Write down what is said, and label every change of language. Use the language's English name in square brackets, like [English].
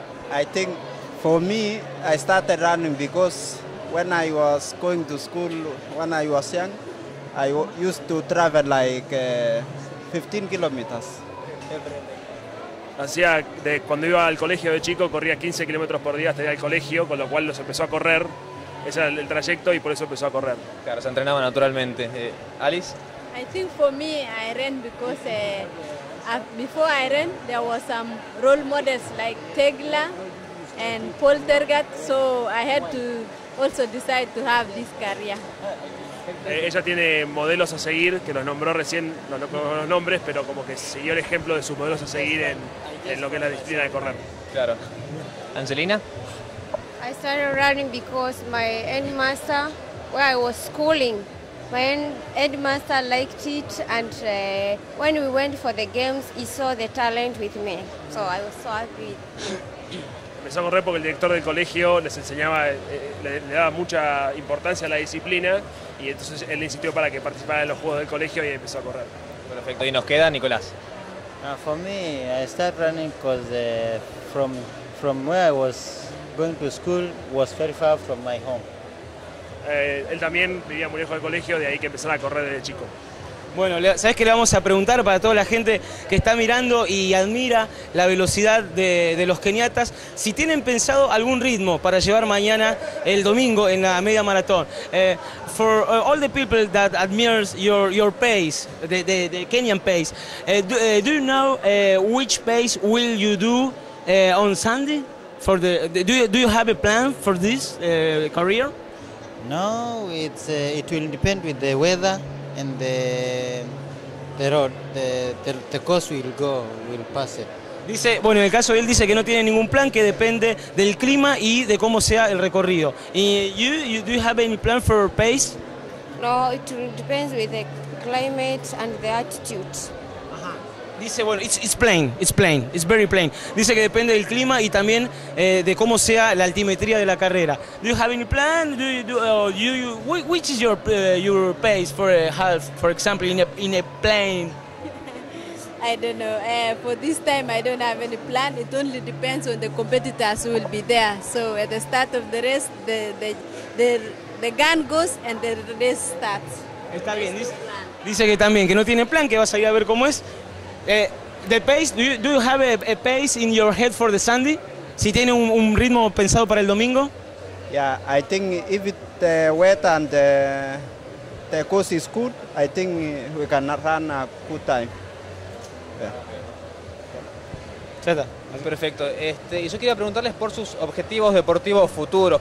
[English] I think for me, I started running because when I was going to school, when I was young, I used to travel like 15 kilometers every day. [Spanish] Hacía de cuando iba al colegio de chico, corría 15 kilómetros por día hasta ir al colegio, con lo cual los empezó a correr. Ese era el trayecto y por eso empezó a correr. Claro, se entrenaba naturalmente. Alice? [English] I think for me, I ran because... before I ran, there were some role models like Tegla and Paul Tergat, so I had to also decide to have this career. [Spanish] Ella tiene modelos a seguir, que los nombró recién, no conozco los nombres, pero como que siguió el ejemplo de sus modelos a seguir en lo que es la disciplina de correr. Claro. Angelina? [English] I started running because my headmaster, where I was schooling, when headmaster liked it, and when we went for the games, he saw the talent with me, so I was so happy. [Spanish] Empezó a correr porque el director del colegio les enseñaba, le daba mucha importancia a la disciplina, y entonces él insistió para que participara en los juegos del colegio y empezó a correr. Perfecto. Y nos queda Nicolás. [English] For me, I started running because from where I was going to school was very far from my home. [Spanish] Él también vivía muy lejos del colegio, de ahí que empezara a correr desde chico. Bueno, ¿sabes qué le vamos a preguntar para toda la gente que está mirando y admira la velocidad de los keniatas? Si tienen pensado algún ritmo para llevar mañana el domingo en la media maratón. [English] For all the people that admires your pace, the Kenyan pace, do you know which pace will you do on Sunday? For do you have a plan for this career? No, it will depend with the weather and the road, the course will go, will pass it. [Spanish] Dice, bueno, en el caso de él dice que no tiene ningún plan, que depende del clima y de cómo sea el recorrido. [English] You do you have any plan for pace? No, it will depend with the climate and the altitude. [Spanish] Dice, bueno, [English] it's plain, it's very plain. [Spanish] Dice que depende del clima y también de cómo sea la altimetría de la carrera. [English] Do you have any plan? Which is your pace for a half, for example, in a plane? I don't know. For this time, I don't have any plan. It only depends on the competitors who will be there. So at the start of the race, the gun goes and the race starts. [Spanish] Está bien. Dice que también que no tiene plan, que vas a ir a ver cómo es. [English] The pace, do you have a pace in your head for the Sunday? [Spanish] Si tiene un ritmo pensado para el domingo. [English] Yeah, I think if the weather and the course is good, I think we can run a good time. [Spanish] Perfecto. Y yo quería preguntarles por sus objetivos deportivos futuros.